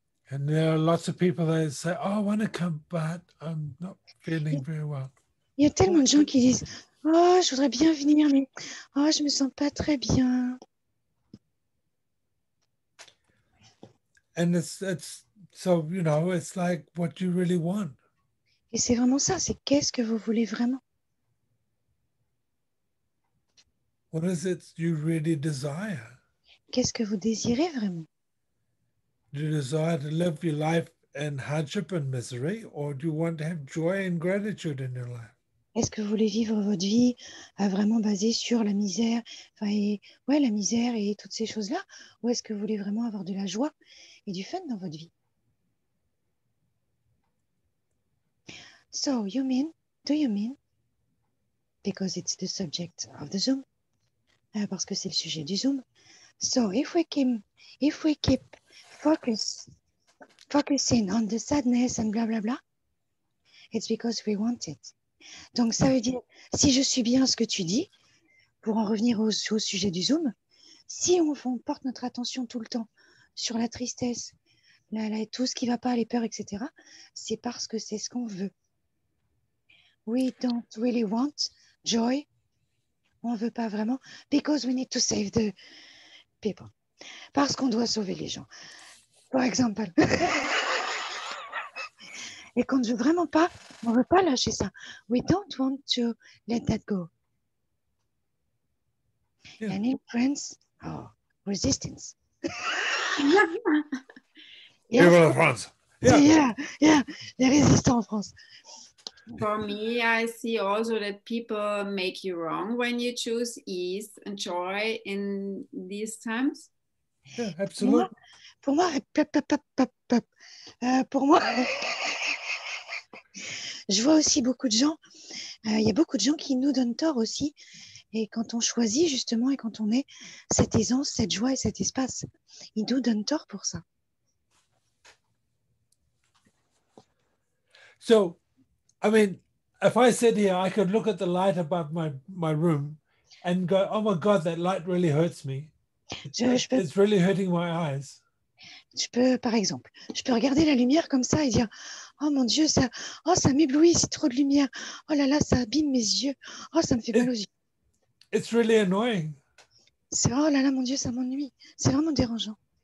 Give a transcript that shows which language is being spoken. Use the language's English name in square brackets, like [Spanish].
[English] And there are lots of people that say, oh, I want to come, but I'm not feeling very well. [French] Il y a tellement de gens qui disent, oh, je voudrais bien venir, mais oh, je me sens pas très bien. [English] And it's so, you know, it's like what you really want. [French] Et c'est vraiment ça, c'est qu'est-ce que vous voulez vraiment? [English] What is it you really desire? [French] Qu'est-ce que vous désirez vraiment? [English] Do you desire to live your life in hardship and misery, or do you want to have joy and gratitude in your life? [French] Est-ce que vous voulez vivre votre vie vraiment basée sur la misère, la misère et toutes ces choses-là, ou est-ce que vous voulez vraiment avoir de la joie et du fun dans votre vie? [English] So, you mean, do you mean, because it's the subject of the Zoom, [French] parce que c'est le sujet du Zoom. [English] So, if we keep focusing on the sadness and blah, blah, blah, it's because we want it. [French] Donc, ça veut dire, si je suis bien ce que tu dis, pour en revenir au sujet du Zoom, si on porte notre attention tout le temps sur la tristesse, tout ce qui ne va pas, les peurs, etc., c'est parce que c'est ce qu'on veut. [English] We don't really want joy. [French] On ne veut pas vraiment. [English] Because we need to save the people. [French] Parce qu'on doit sauver les gens. [English] For example. [French] Et qu'on ne veut vraiment pas, on ne veut pas lâcher ça. [English] We don't want to let that go. Yeah. Any friends? Oh, resistance. Yeah. People in France. [French] Yeah. Les résistants en France. [English] For me, I see also that people make you wrong when you choose ease and joy in these times. Yeah, absolutely. [French] Pour moi, je vois aussi beaucoup de gens. Il y a beaucoup de gens qui nous donnent tort aussi. Et quand on choisit justement et quand on est cette aisance, cette joie et cet espace, ils nous donnent tort pour ça. [English] So. I mean, if I sit here, I could look at the light above my room and go, oh my God, that light really hurts me. It's really hurting my eyes. [French] Je peux, par exemple, je peux regarder la lumière comme ça et dire, oh mon Dieu, ça m'éblouit, c'est trop de lumière. Oh là là, ça abîme mes yeux. Oh, ça me fait mal aux yeux. [English] It's really annoying. [French] C'est, oh là là, mon Dieu, ça m'ennuie. C'est vraiment dérangeant.